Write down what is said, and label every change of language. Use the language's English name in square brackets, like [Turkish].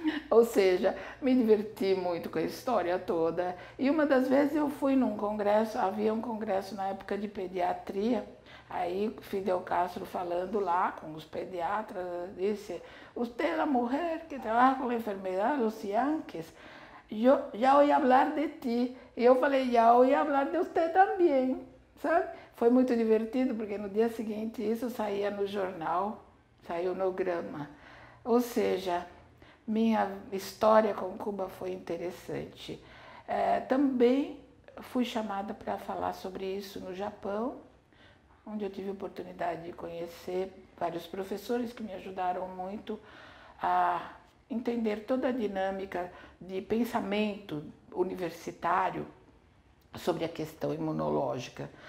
[Portuguese] Ou seja, me diverti muito com a história toda. E uma das vezes eu fui num congresso, havia um congresso na época de pediatria, Aí Fidel Castro falando lá com os pediatras, disse: [Spanish] "Usted, la mujer que trabaja con la enfermedad, los yanquis, yo ya oí hablar de ti". [Portuguese] E eu falei: [Spanish] "Ya oí hablar de usted también", [Portuguese] sabe? Foi muito divertido, porque no dia seguinte isso saía no jornal, saiu no grama. Ou seja, minha história com Cuba foi interessante. É, também fui chamada para falar sobre isso no Japão, onde eu tive a oportunidade de conhecer vários professores que me ajudaram muito a entender toda a dinâmica de pensamento universitário sobre a questão imunológica.